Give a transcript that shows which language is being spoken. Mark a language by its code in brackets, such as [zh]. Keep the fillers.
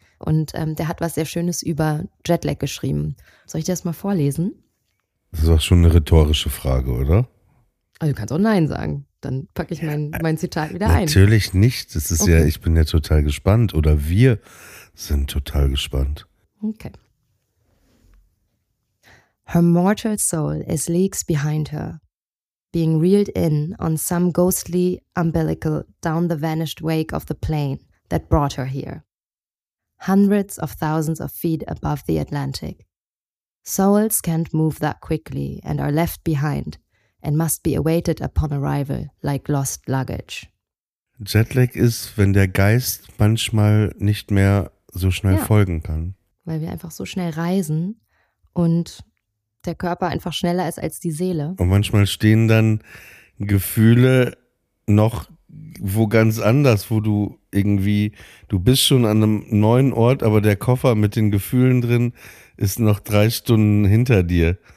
[de] Und ähm, der hat was sehr Schönes über Jetlag geschrieben. Soll ich dir das mal vorlesen? Das war schon eine rhetorische Frage, oder? Also du kannst auch Nein sagen. Dann packe ich mein, mein Zitat wieder ein. Natürlich nicht. Das ist ja, Okay. ich bin ja total gespannt oder wir sind total gespannt. Okay. [en] Her mortal soul is leagues behind her, being reeled in on some ghostly umbilical down the vanished wake of the plane that brought her here. Hundreds of thousands of feet above the Atlantic. Souls can't move that quickly and are left behind and must be awaited upon arrival like lost luggage. [de] Jetlag ist, wenn der Geist manchmal nicht mehr so schnell Ja. folgen kann. Weil wir einfach so schnell reisen und der Körper einfach schneller ist als die Seele. Und manchmal stehen dann Gefühle noch wo ganz anders, wo du irgendwie, du bist schon an einem neuen Ort, aber der Koffer mit den Gefühlen drin ist noch drei Stunden hinter dir.